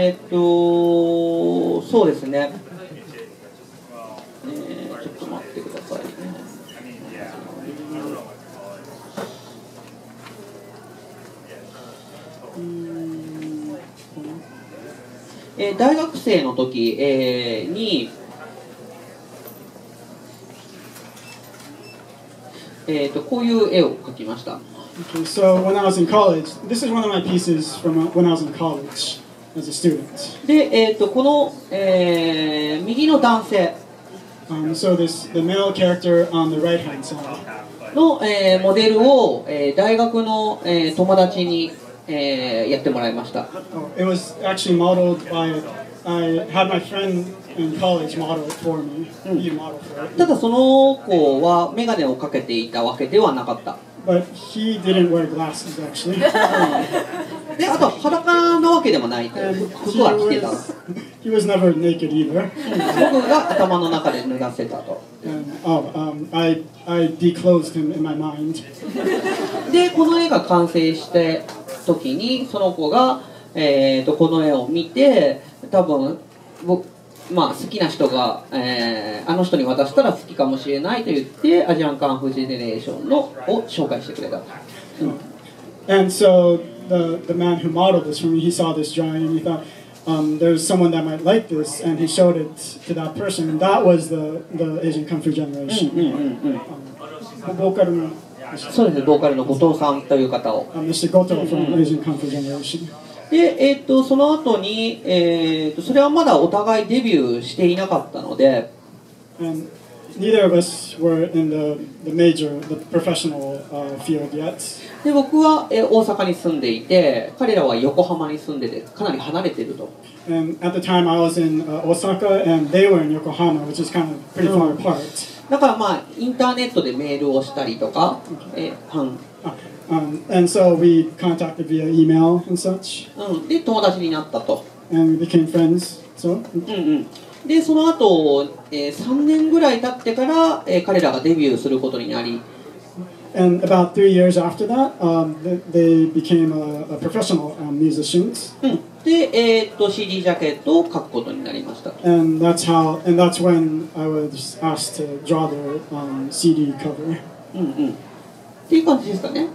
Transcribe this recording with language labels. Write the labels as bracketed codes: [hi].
[ja] そうですね、ちょっと待ってください、大学生の時、に [en] Okay, so when I was in college, this is one of my pieces from when I was in college as a student. [ja] で、この、右の男性。 [en] So this the male character on the right hand side. [ja] の、モデルを、大学の、友達に、やってもらいました。 [en] Oh, it was actually modeled by I had my friend. In college, model for me. You model for it. [ja] ただその子はメガネをかけていたわけではなかった。 [en] But he didn't wear glasses, actually. [ja] で、あと裸なわけでもないと、服は着てた。 [en] He was never naked either. [ja] 僕が頭の中で脱がせたと。 [en] I declosed him in my mind. [ja] で、この絵が完成した時にその子が、この絵を見て、多分僕まあ、好きな人が、あの人に渡したら好きかもしれないと言ってアジアンカンフージェネレーションのを紹介してくれた。 [en] And so the man who modeled this for me, he saw this drawing and he thought, there's someone that might like this, and he showed it to that person, and that was the Asian Kung Fu Generation. [ja] ボーカルの、そうですね、ボーカルの後藤さんという方を。 [en] Mr. Goto from Asian Kung Fu Generation. [ja] で、その後に、それはまだお互いデビューしていなかったので、 [en] neither of us were in the major, the professional field yet. [ja] で、僕は大阪に住んでいて、彼らは横浜に住んでて、かなり離れていると。 [en] And at the time I was in Osaka and they were in Yokohama, which is kind of pretty far apart. [ja] だからまあ、インターネットでメールをしたりとか、はい。 [en] And so we contacted via email and such. [ja] で、友達になったと。 [en] And we became friends, so. [ja] で、その後、3年ぐらい経ってから、彼らがデビューすることになり。 [en] And about 3 years after that, they became a professional musicians. [ja] で、CD ジャケットを描くことになりました。 [en] And that's when I was asked to draw the CD cover. [ja] っていう感じですかね。